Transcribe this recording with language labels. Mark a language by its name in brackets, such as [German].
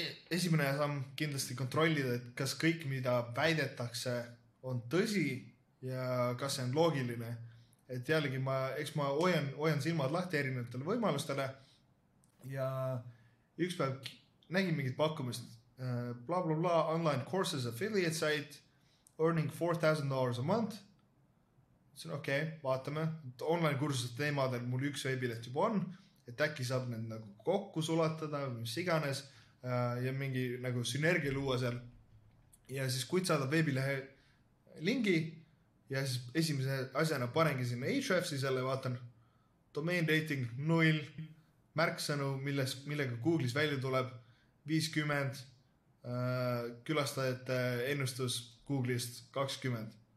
[Estonian] Esimene samm kindlasti kontrollida, et kas kõik, mida väidetakse, on tõsi ja kas see on loogiline. Et jällegi ma, eks ma hoian silmad lahti erinevatele võimalustele ja üks päev nägin mingit pakkumist. [English] Bla bla bla, online courses affiliate site, earning $4,000 a month. [Estonian] See on okei, okay, vaatame. Et online kursuse teemadel mul üks veebileht juba on, et äkki saab need nagu kokku sulatada, mis iganes ja mingi nagu sünergia luua seal. Ja siis kui saada veebilehe linki, ja siis esimese asjana panengi sinna Ahrefsi selle vaatan, domain rating 0, märksõnu, milles, millega Googlis välja tuleb, 50, külastajate ennustus Googlist 20.